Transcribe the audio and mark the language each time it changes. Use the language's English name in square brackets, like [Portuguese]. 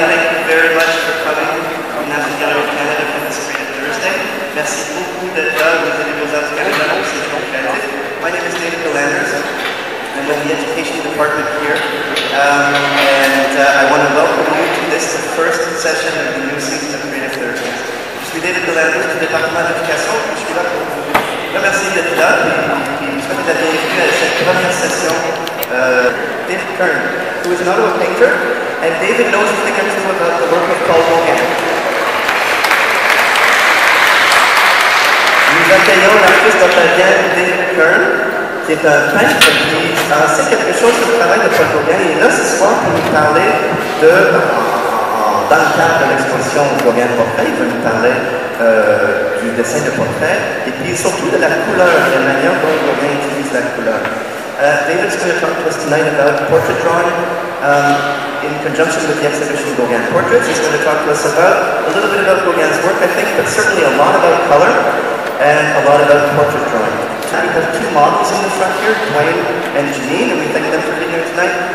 [English] Thank you very much for coming from the National Gallery of Canada for this great Thursday. [French] Merci beaucoup d'être là, les amigos [English] of Canada. My name is David Galanders. I'm in the education department here. I want to welcome you to this first session of the new season of Creative Thursdays. [French] Je suis David Galanders du département d'éducation et je suis là pour vous remercier d'être là et vous souhaiter la bienvenue à cette première session. [English] David Kearn, who is an Ottawa painter, and David knows a thing or two about the work of Paul Gauguin. [French] Nous accueillons l'artiste italien David Kearn, qui est un peintre qui sait quelque chose sur le travail de Paul Gauguin. Et là, ce soir, pour nous parler de, dans le cadre de l'exposition Gauguin Portrait, il va nous parler du dessin de portrait, et puis surtout de la couleur, de la manière dont Gauguin utilise la couleur. [English] David's going to talk to us tonight about portrait drawing in conjunction with the exhibition Gauguin Portraits. He's going to talk to us about a little bit about Gauguin's work, I think, but certainly a lot about color and a lot about portrait drawing. We have two models in the front here, Dwayne and Janine, and we thank them for being here tonight.